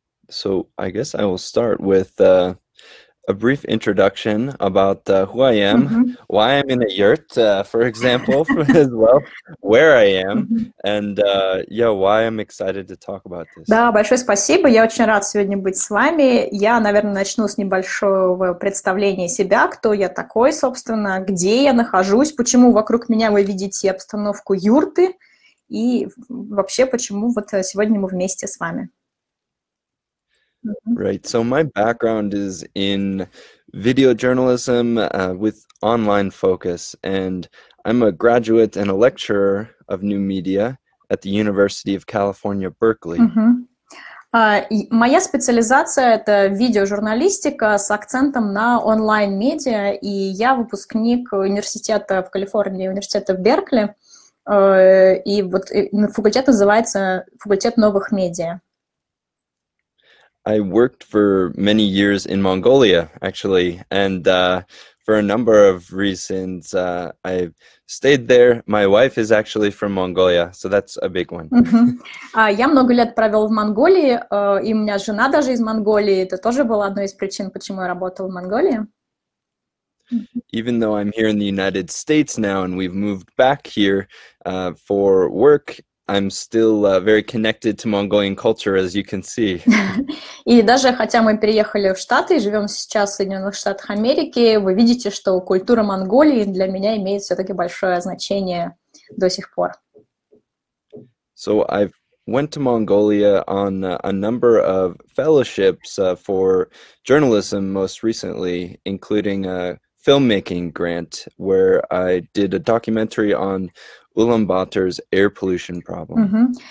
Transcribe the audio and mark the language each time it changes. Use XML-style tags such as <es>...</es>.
<en>So I guess I will start with a brief introduction about who I am, mm-hmm. why I'm in a yurt, for example, as well, where I am, mm-hmm. and yeah, why I'm excited to talk about this.</en> <ru>Да, большое спасибо. Я очень рад сегодня быть с вами. Я, наверное, начну с небольшого представления себя, кто я такой, собственно, где я нахожусь, почему вокруг меня вы видите обстановку юрты, и вообще, почему вот сегодня мы вместе с вами.</ru> <en>Right. So my background is in video journalism with online focus, and I'm a graduate and a lecturer of new media at the University of California, Berkeley.</en> <ru>Моя специализация – это видеожурналистика с акцентом на онлайн-медиа, и я выпускник университета в Калифорнии, университета в Беркли, и вот факультет называется «Факультет новых медиа».</ru> <en>I worked for many years in Mongolia, actually, and for a number of reasons, I stayed there. My wife is actually from Mongolia, so that's a big one.</en> <ru>Я много лет провел в Монголии, и у меня жена даже из Монголии. Это тоже было одной из причин, почему я работал в Монголии.</ru> <en>Even though I'm here in the United States now, and we've moved back here for work, I'm still very connected to Mongolian culture, as you can see.</en> <ru>И даже хотя мы переехали в Штаты и живем сейчас в Соединенных Штатах Америки, вы видите, что культура Монголии для меня имеет все-таки большое значение до сих пор.</ru> <en>So I went to Mongolia on a number of fellowships for journalism most recently, including a filmmaking grant where I did a documentary on Улан-Батор's air pollution problem.</en>